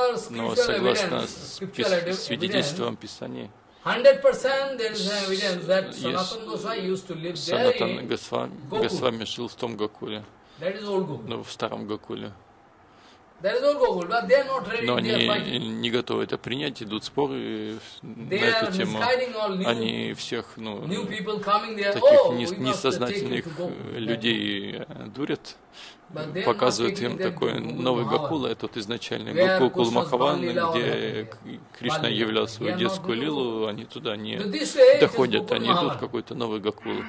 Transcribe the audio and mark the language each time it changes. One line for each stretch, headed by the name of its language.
Russian: Но согласно свидетельствам Писания,
English: 100% there is evidence that Sanatana Goswami used to live there.
Russian: Sanatana Goswami жил в том Гокуле.
English: That is old Gokul.
Russian: Но в старом Гокуле.
English: There is old Gokul, but they are not ready.
Russian: Но они не готовы это принять, идут споры на эту тему. Они всех, ну, таких несознательных людей дурят. Показывают им такой новый Гокул, этот изначальный Гокул Махаван, где Кришна являл свою детскую лилу, они туда не доходят, они идут в какой-то новый Гокул.